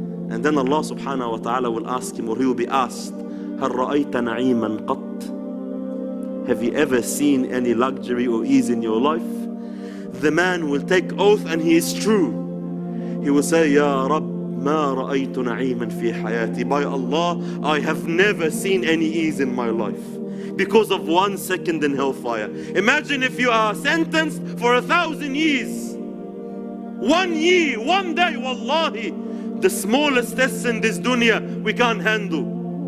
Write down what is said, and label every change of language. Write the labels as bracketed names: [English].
[English] And then Allah subhanahu wa ta'ala will ask him, or he will be asked, [Arabic] هَلْ رَأَيْتَ نَعِيمًا قَطْ. [English] Have you ever seen any luxury or ease in your life? The man will take oath and he is true. He will say, [Arabic] يَا رَبْ مَا رَأَيْتُ نَعِيمًا فِي حَيَاتِي. [English] By Allah, I have never seen any ease in my life because of 1 second in hellfire. Imagine if you are sentenced for 1,000 years. 1 year, one day, wallahi, the smallest test in this dunya we can't handle.